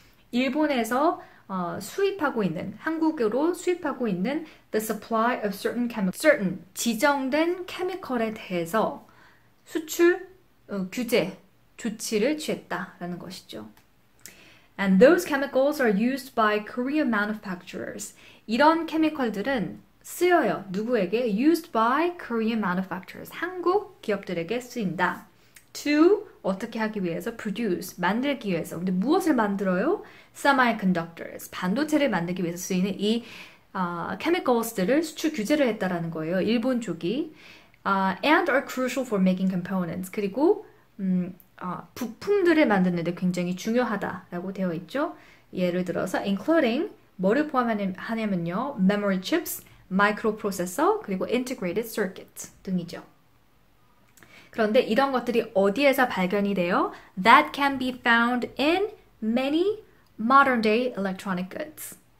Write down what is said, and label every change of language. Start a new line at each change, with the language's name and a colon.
Korean: 일본에서 수입하고 있는, 한국으로 수입하고 있는
English: the supply of certain chemicals,
Korean: certain 지정된 케미컬에 대해서 수출 규제 조치를 취했다라는 것이죠.
English: And those chemicals are used by Korean manufacturers.
Korean: 이런 케미컬들은 쓰여요. 누구에게?
English: Used by Korean manufacturers.
Korean: 한국 기업들에게 쓰인다. To 어떻게 하기 위해서? Produce 만들기 위해서. 근데 무엇을 만들어요? Semiconductors 반도체를 만들기 위해서 쓰이는 이 chemicals들을 수출 규제를 했다라는 거예요. 일본 쪽이
English: and are crucial for making components.
Korean: 그리고 부품들을 만드는 데 굉장히 중요하다라고 되어 있죠. 예를 들어서 including 뭐를 포함하냐면요. memory chips, 마이크로 프로세서, 그리고 integrated circuits 등이죠. 그런데 이런 것들이 어디에서 발견이 돼요?
English: That can be found in many modern day electronic goods.